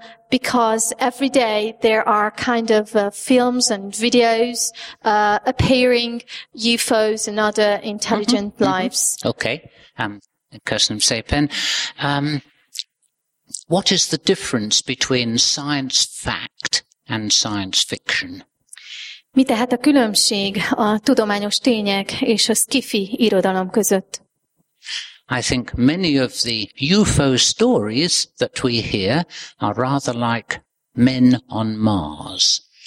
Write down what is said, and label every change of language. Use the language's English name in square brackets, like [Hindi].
[English] Because every day there are kind of films and videos appearing, UFOs and other intelligent mm-hmm. lives. Mm-hmm. Okay. Kerstin Sapin. What is the difference between science fact and science fiction? [Hungarian] Mi tehát a különbség a tudományos tények és a sci-fi irodalom között? [English] I think many of the UFO stories that we hear are rather like men on Mars.